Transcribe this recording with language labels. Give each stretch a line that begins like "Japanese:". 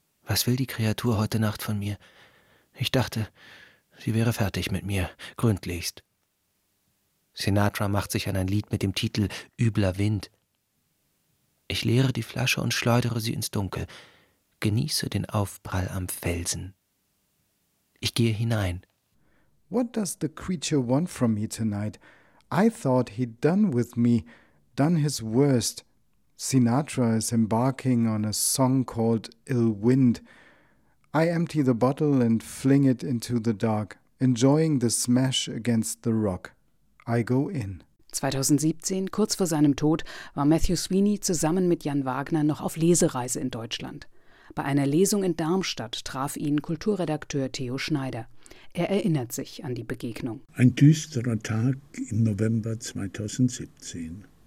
German: Was will die Kreatur heute Nacht von mir? Ich dachte, sie wäre fertig mit mir, gründlichst. Sinatra macht sich an ein Lied mit dem Titel »Übler Wind«. Ich leere die Flasche und schleudere sie ins Dunkel, genieße den Aufprall am Felsen. Ich gehe hinein.
English: »What does the creature want from me tonight? I thought he'd done with me, done his worst. Sinatra is embarking on a song called Ill Wind. I empty the bottle and fling it into the dark, enjoying the smash against the rock.« I go in.
German: 2017, kurz vor seinem Tod, war Matthew Sweeney zusammen mit Jan Wagner noch auf Lesereise in Deutschland. Bei einer Lesung in Darmstadt traf ihn Kulturredakteur Theo Schneider. Er erinnert sich an die Begegnung. Ein düsterer Tag im November 2017.